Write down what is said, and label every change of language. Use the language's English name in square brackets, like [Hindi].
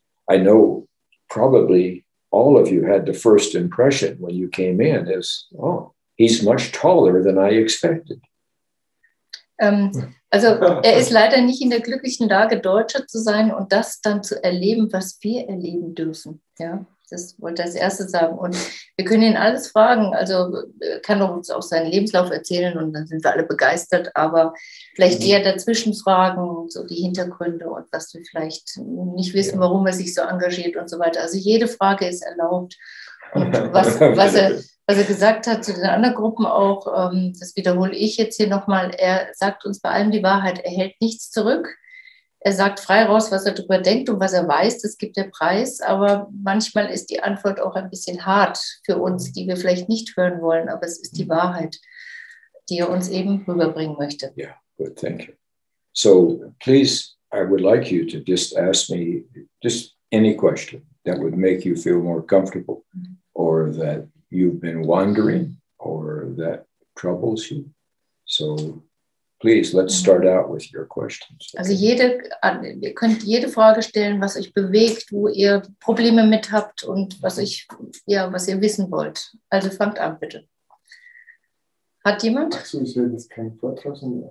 [English] I know probably all of you had the first impression when you came in is, oh, he's much taller than I expected. [German] Also er ist leider nicht in der glücklichen Lage, Deutscher zu sein und das dann zu erleben, was wir erleben dürfen. Ja, das wollte ich als Erste sagen. Und wir können ihn alles fragen. Also er kann uns auch seinen Lebenslauf erzählen und dann sind wir alle begeistert. Aber vielleicht eher dazwischen fragen, so die Hintergründe und was wir vielleicht nicht wissen, warum er sich so engagiert und so weiter. Also jede Frage ist erlaubt. Und was er gesagt hat zu den anderen Gruppen auch, das wiederhole ich jetzt hier nochmal, er sagt uns bei allem die Wahrheit, er hält nichts zurück, er sagt frei raus, was er darüber denkt und was er weiß, das gibt der Preis, aber manchmal ist die Antwort auch ein bisschen hart für uns, die wir vielleicht nicht hören wollen, aber es ist die Wahrheit, die er uns eben rüberbringen möchte. [English] Ja, yeah, good, thank you. So, please, I would like you to just ask me just any question that would make you feel more comfortable or that you've been wandering or that troubles you. So please, let's start out with your questions. Okay? [German] Also ihr könnt jede Frage stellen, was euch bewegt, wo ihr Probleme mit habt und was ihr wissen wollt. Also fangt an, bitte. Hat jemand? Ach so, ich will jetzt keinen Vortrag machen.